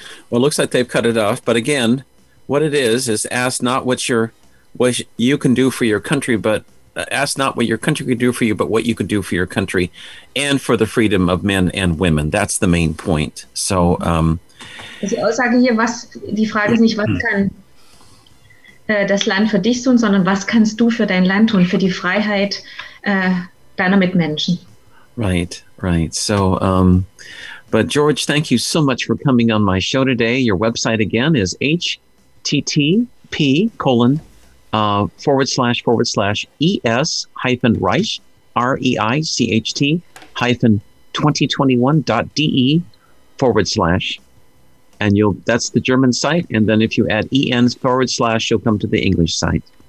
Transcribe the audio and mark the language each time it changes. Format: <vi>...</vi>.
<en>Well, it looks like they've cut it off, but again, what it is ask not what you can do for your country, but ask not what your country could do for you, but what you could do for your country and for the freedom of men and women. That's the main point. So,</en> <de>die Aussage hier, die Frage ist nicht, was kann das Land für dich tun, sondern was kannst du für dein Land tun, für die Freiheit deiner Mitmenschen.</de> <en>Right, right. So, but George, thank you so much for coming on my show today. Your website again is http://es-reicht2021.de/, and that's the German site, and then if you add en/, you'll come to the English site.</en>